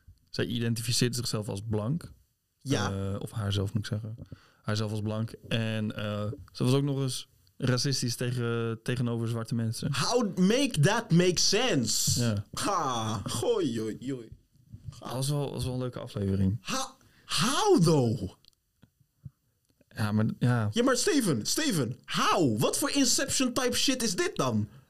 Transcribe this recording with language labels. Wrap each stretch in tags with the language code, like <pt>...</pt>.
<nl>Zij identificeerde zichzelf als blank. Ja. Of haarzelf, moet ik zeggen. Haarzelf als blank. En ze was ook nog eens racistisch tegenover zwarte mensen.</nl> <en>How make that make sense?</en> <nl>Ja. Ha, gooi, joi. Dat was wel een leuke aflevering.</nl> <en>How though?</en> <nl>Ja, maar ja. Ja, maar Steven,</nl> <en>how?</en> <nl>Wat voor Inception type shit is dit dan?</nl>